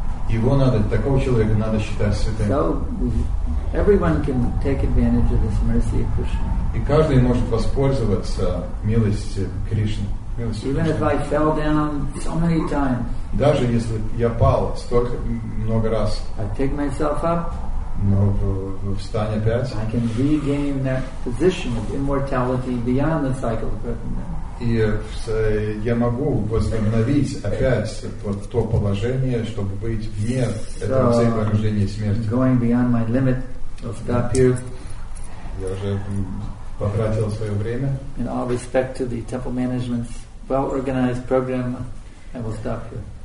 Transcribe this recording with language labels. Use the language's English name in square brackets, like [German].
[Russian] Его надо, такого человека надо считать святым. [English] So, everyone can take advantage of this mercy of Krishna. [Russian] И каждый может воспользоваться милостью Кришны. [English] Even if I fell down so many times. [Russian] Даже если я пал столько много раз. [English] I take myself up. [Russian] Но встань опять. [English] I can regain that position of immortality beyond the cycle of birth and death. [Russian] И я могу возобновить опять вот то положение, чтобы быть вне этого цикла рождения и смерти. [English] Going beyond my limit, I'll stop here. [Russian] Я уже потратил свое время. [English] In all respect to the temple management's well-organized program, I will stop here.